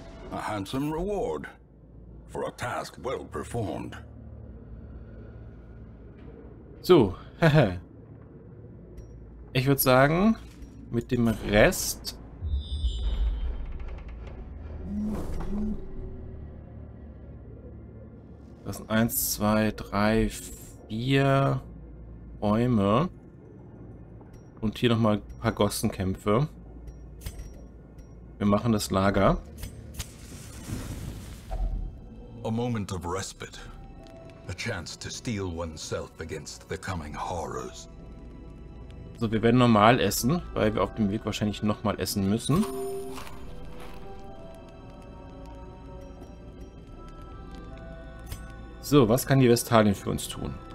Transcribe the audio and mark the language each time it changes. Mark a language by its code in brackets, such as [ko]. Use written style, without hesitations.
[en] A handsome reward for a task well performed. [de] So, ich würde sagen, mit dem Rest das sind 1, 2, 3, 4 Räume und hier nochmal ein paar Gossenkämpfe. Wir machen das Lager. [en] A moment of respite. A chance to steel oneself against the coming horrors. [de] So, wir werden normal essen, weil wir auf dem Weg wahrscheinlich nochmal essen müssen. So, was kann die Vestalin für uns tun?